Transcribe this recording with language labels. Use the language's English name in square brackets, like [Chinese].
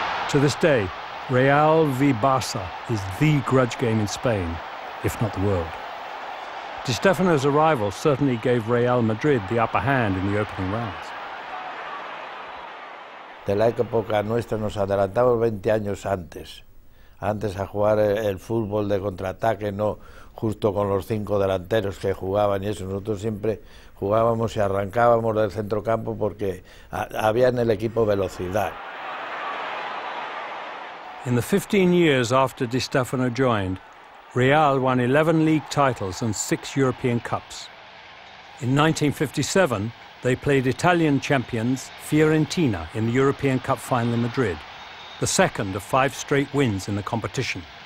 [English] To this day, Real v Barça is the grudge game in Spain, if not the world. Di Stéfano's arrival certainly gave Real Madrid the upper hand in the opening rounds. [Spanish] De la época nuestra nos adelantamos 20 años antes a jugar el fútbol de contraataque, no justo con los cinco delanteros que jugaban y eso. Nosotros siempre jugábamos y arrancábamos del centro campo porque había en el equipo velocidad. [English] In the 15 years after Di Stéfano joined, Real won 11 league titles and 6 European Cups. In 1957, they played Italian champions Fiorentina in the European Cup final in Madrid, the second of 5 straight wins in the competition.